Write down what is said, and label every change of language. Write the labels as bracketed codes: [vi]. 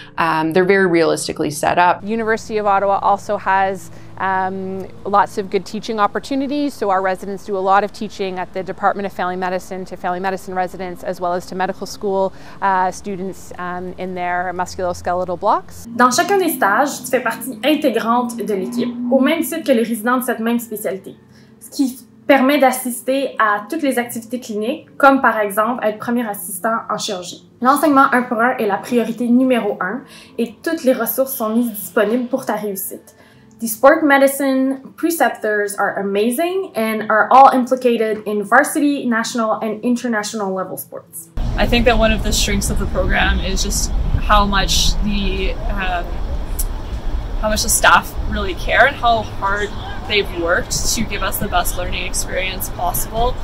[en] They're very realistically set up. University of Ottawa also has lots of good teaching opportunities. So our residents do a lot of teaching at the Department of Family Medicine to family medicine residents, as well as to medical school students in their musculoskeletal blocks. [fr] Dans chacun des stages, tu fais partie intégrante de l'équipe, au même titre que les résidents de cette même spécialité, ce qui permet d'assister à toutes les activités cliniques, comme par exemple être premier assistant en chirurgie. L'enseignement 1 pour 1 est la priorité numéro 1 et toutes les ressources sont mises disponibles pour ta réussite. [en] The sport medicine preceptors are amazing and are all implicated in varsity, national, and international level sports. I think that one of the strengths of the program is just how much the staff really care and how hard they've worked to give us the best learning experience possible.